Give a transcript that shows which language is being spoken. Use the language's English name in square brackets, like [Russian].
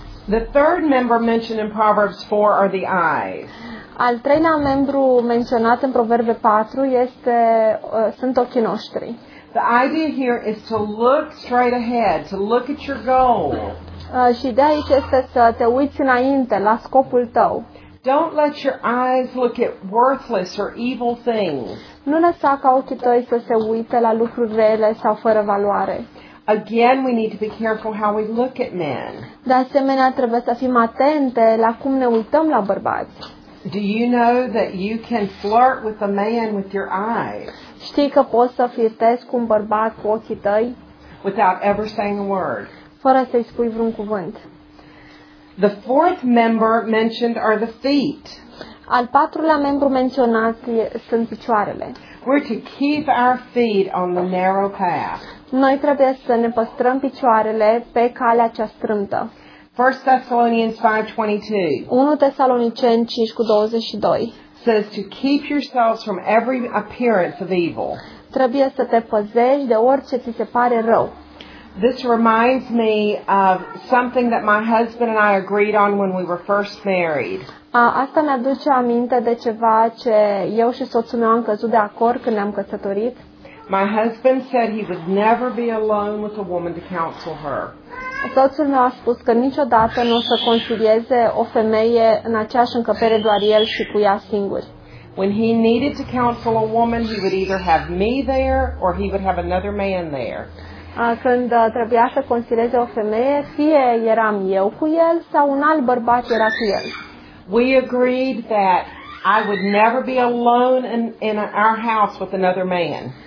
[English] The third member mentioned in Proverbs 4 are the eyes. [Romanian] Al treilea membru menționat în Proverbe 4 sunt ochii noștri. [English] The idea here is to look straight ahead, to look at your goal. [Romanian] Și de aici este să te uiți înainte la scopul tău. [English] Don't let your eyes look at worthless or evil things. [Romanian] Nu lăsa ca ochii tăi să se uite la lucruri rele sau fără valoare. [English] Again, we need to be careful how we look at men. [Romanian] De asemenea, trebuie să fim atente la cum ne uităm la bărbați. [English] Do you know that you can flirt with a man with your eyes? [Romanian] Știi că poți să flirtezi cu un bărbat cu ochii tăi? [English] Without ever saying a word. [Romanian] Fără să-i spui vreun cuvânt. [English] The fourth member mentioned are the feet. [Romanian] Al patrulea membru menționat sunt picioarele. [English] We're to keep our feet on the narrow path. [Romanian] Noi trebuie să ne păstrăm picioarele pe calea cea strâmtă. 1 Tesaloniceni 5:22 [English] says to keep yourselves from every appearance of evil. [Romanian] Trebuie să te păzești de orice ți se pare rău. [English] This reminds me of something that my husband and I agreed on when we were first married. [Romanian] Asta mi aduce aminte de ceva ce eu și soțul meu am căzut de acord când ne-am căsătorit. [English] My husband said he would never be alone with a woman to counsel her. [Romanian] Soțul meu a spus că niciodată nu o să consilieze o femeie în aceeași încăpere doar el și cu ea singur. [English] When he needed to counsel a woman, he would either have me there or he would have another man there. [Romanian] Când trebuia să consilieze o femeie, fie eram eu cu el sau un alt bărbat era cu el. [English] We agreed that I would never be alone in our house with another man.